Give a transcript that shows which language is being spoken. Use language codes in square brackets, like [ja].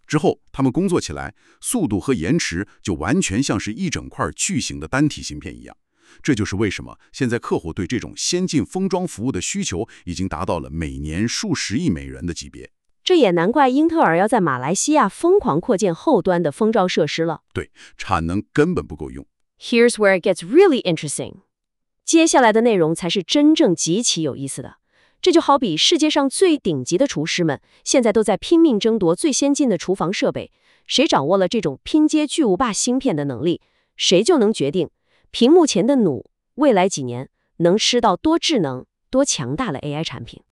[zh] 之后他们工作起来，速度和延迟就完全像是一整块巨型的单体芯片一样。这就是为什么现在客户对这种先进封装服务的需求已经达到了每年数十亿美元的级别。这也难怪英特尔要在马来西亚疯狂扩建后端的封装设施了。对，产能根本不够用。 [en] Here's where it gets really interesting. [zh] 接下来的内容才是真正极其有意思的。这就好比世界上最顶级的厨师们现在都在拼命争夺最先进的厨房设备，谁掌握了这种拼接巨无霸芯片的能力，谁就能决定屏幕前的弩未来几年能吃到多智能多强大的 AI 产品。